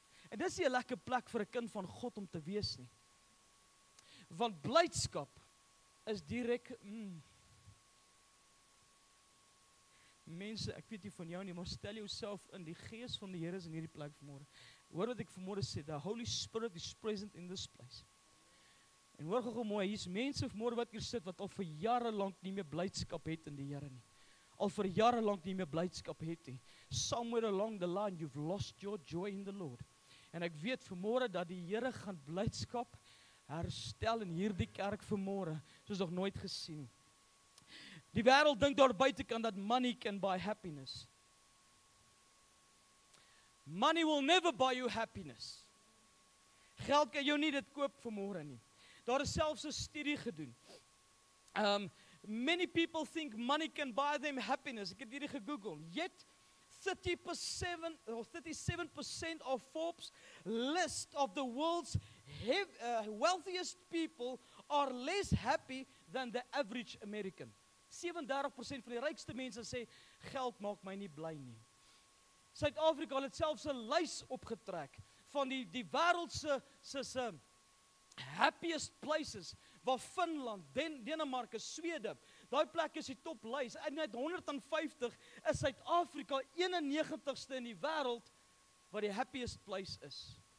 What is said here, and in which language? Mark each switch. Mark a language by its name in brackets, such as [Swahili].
[Afrikaans] En dis nie 'n lekker plek vir 'n kind van God om te wees nie, want blydskap is direk, mense, ek weet nie van jou nie, maar stel jouself in die gees van die Here is in hierdie plek vanmorgen. Hoor wat ek vanmorgen sê, [English] the Holy Spirit is present in this place. [Afrikaans] En hoor gou mooi, hier is mense vanmorgen wat hier sit, wat al vir jare lang nie meer blydskap het in die Here nie. Al vir jare lang nie meer blydskap het nie. [English] Somewhere along the line, you've lost your joy in the Lord. [Afrikaans] En ek weet vanmorgen dat die Here gaan blydskap herstel in hierdie kerk vanmorgen, soos nog nooit gesien. Die wêreld dink daar buitekant dat [English] money can buy happiness. Money will never buy you happiness. [Afrikaans] Geld kan jou nie dit koop vanmôre nie. Daar is selfs 'n studie gedoen. [English] Many people think money can buy them happiness. [Afrikaans] Ek het hierdie gegoogel. [English] Yet 37% of Forbes list of the world's wealthiest people are less happy than the average American. [Afrikaans] 37% van die rykste mense sê, geld maak my nie bly nie. Suid-Afrika het selfs 'n lys opgetrek van die wêreldse se [English] happiest places, [Afrikaans] waar Finland, Denemarke, Swede, daai plek is die top lys, en net 150 is Suid-Afrika 91ste in die wêreld waar die happiest place is.